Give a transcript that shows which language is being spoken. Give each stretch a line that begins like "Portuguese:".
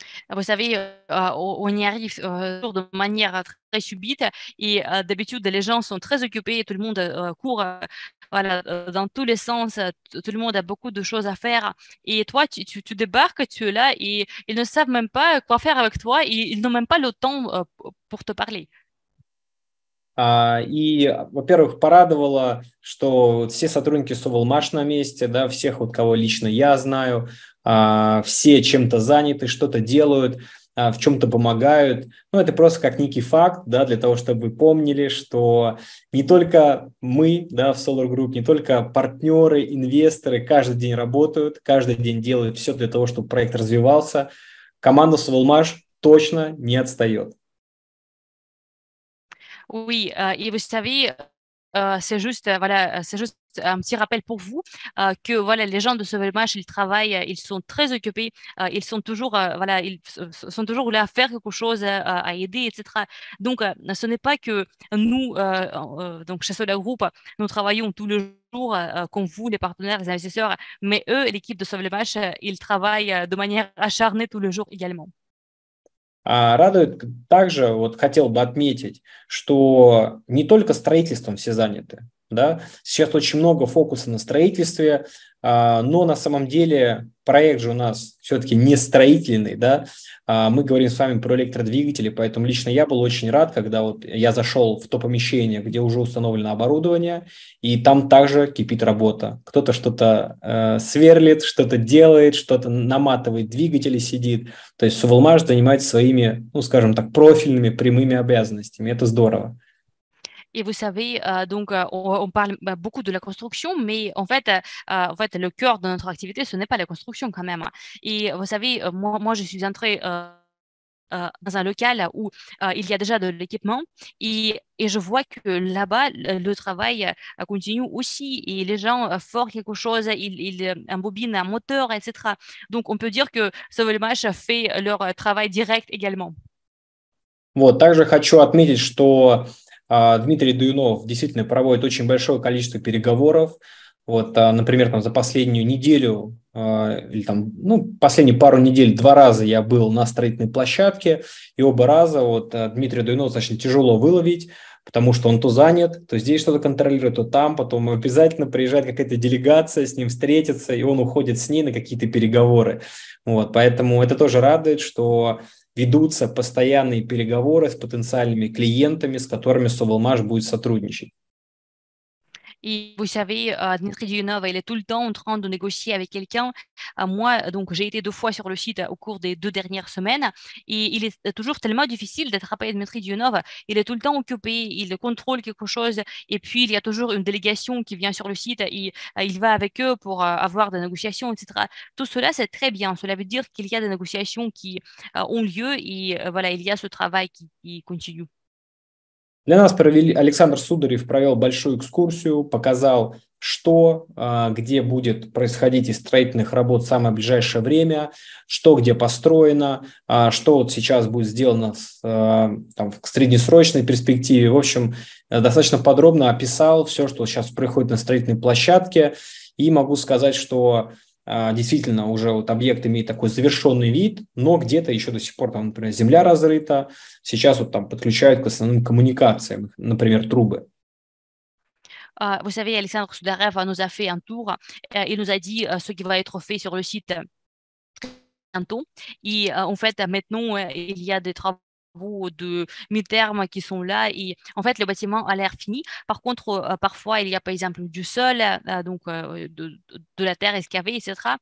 French: Vous savez, on y arrive de manière très subite et d'habitude, les gens sont très occupés, tout le monde court voilà, dans tous les sens, tout le monde a beaucoup de choses à faire. Et toi, tu débarques, tu es là et ils ne savent même pas quoi faire avec toi et ils n'ont même pas le temps pour te parler.
Russian: И, во-первых, порадовало, что все сотрудники Совалмаш на месте, да, всех, вот, кого лично я знаю, все чем-то заняты, что-то делают, в чем-то помогают. Ну, это просто как некий факт, да, для того, чтобы вы помнили, что не только мы, да, в Solar Group, не только партнеры, инвесторы каждый день работают, каждый день делают все для того, чтобы проект развивался. Команда Совалмаш точно не отстает.
French: Oui, et vous savez, c'est juste un petit rappel pour vous que voilà, les gens de Sauvelmash, ils travaillent, ils sont très occupés, ils sont toujours, voilà, ils sont toujours là à faire quelque chose, à aider, etc. Donc, ce n'est pas que nous, donc chez Solar Group, nous travaillons tous les jours comme vous, les partenaires, les investisseurs, mais eux, l'équipe de Sauvelmash, ils travaillent de manière acharnée tous les jours également.
Russian: Радует также, вот хотел бы отметить, что не только строительством все заняты, да, сейчас очень много фокуса на строительстве, но на самом деле проект же у нас все-таки не строительный, да, мы говорим с вами про электродвигатели, поэтому лично я был очень рад, когда вот я зашел в то помещение, где уже установлено оборудование, и там также кипит работа, кто-то что-то сверлит, что-то делает, что-то наматывает двигатели, сидит, то есть Совалмаш занимается своими, ну, скажем так, профильными прямыми обязанностями, это здорово.
French: Et vous savez, on parle beaucoup de la construction, mais en fait, le cœur de notre activité, ce n'est pas la construction quand même. Et vous savez, moi, je suis entrée dans un local où il y a déjà de l'équipement et je vois que là-bas, le travail continue aussi et les gens forment quelque chose, ils embobinent un moteur, etc. Donc, on peut dire que Sauvelmash fait leur travail direct également.
Russian: Вот, также хочу отметить, что Дмитрий Дуйнов действительно проводит очень большое количество переговоров, Вот, например, там за последнюю неделю или там, ну, последние пару недель два раза я был на строительной площадке, и оба раза вот Дмитрия Дуйнова достаточно тяжело выловить, потому что он то занят, то здесь что-то контролирует, то там, потом обязательно приезжает какая-то делегация, с ним встретится, и он уходит с ней на какие-то переговоры. Вот, поэтому это тоже радует, что ведутся постоянные переговоры с потенциальными клиентами, с которыми Sovelmash будет сотрудничать.
French: Et vous savez, Dmitri Dionov, il est tout le temps en train de négocier avec quelqu'un. Moi, donc, j'ai été deux fois sur le site au cours des deux dernières semaines. Et il est toujours tellement difficile d'attraper Dmitri Dionov. Il est tout le temps occupé, il contrôle quelque chose. Et puis, il y a toujours une délégation qui vient sur le site et il va avec eux pour avoir des négociations, etc. Tout cela, c'est très bien. Cela veut dire qu'il y a des négociations qui ont lieu et voilà, il y a ce travail qui continue.
Russian: Для нас провели, Александр Сударев провел большую экскурсию, показал, что, где будет происходить из строительных работ в самое ближайшее время, что где построено, что вот сейчас будет сделано с, там, в среднесрочной перспективе. В общем, достаточно подробно описал все, что сейчас происходит на строительной площадке. И могу сказать, что действительно уже вот объект имеет такой завершенный вид, но где-то еще до сих пор там, например, земля разрыта, сейчас вот там подключают к основным коммуникациям, например, трубы.
French: Vous savez, Alexandre Sudarev nous a fait un tour, il nous a dit ce qui va être fait sur le site bientôt, et en fait, maintenant, il y a des travaux de mi-terme qui sont là et en fait le bâtiment a l'air fini. Par contre, parfois il y a par exemple du sol, donc de la terre excavée, etc.